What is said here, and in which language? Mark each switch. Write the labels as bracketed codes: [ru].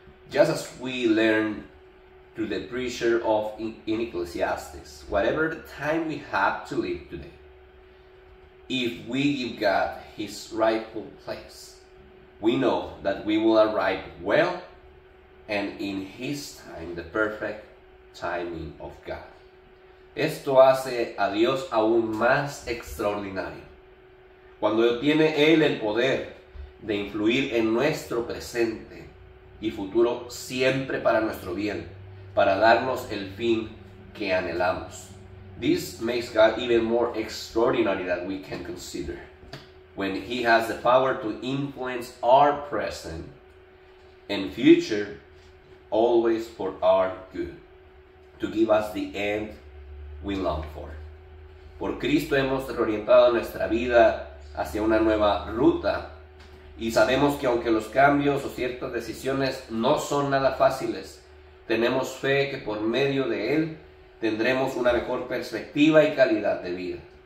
[en] Just as we learn through the preacher of in Ecclesiastes, whatever the time we have to live today, if we give God His rightful place, we know that we will arrive well and in His time, the perfect timing of God. [es] Esto hace a Dios aún más extraordinario. Cuando tiene Él el poder de influir en nuestro presente y futuro siempre para nuestro bien, para darnos el fin que anhelamos. [en] This makes God even more extraordinary than we can consider. When He has the power to influence our present and future, always for our good, to give us the end we long for. [es] Por Cristo hemos reorientado nuestra vida hacia una nueva ruta, y sabemos que aunque los cambios o ciertas decisiones no son nada fáciles, tenemos fe que por medio de Él tendremos una mejor perspectiva y calidad de vida.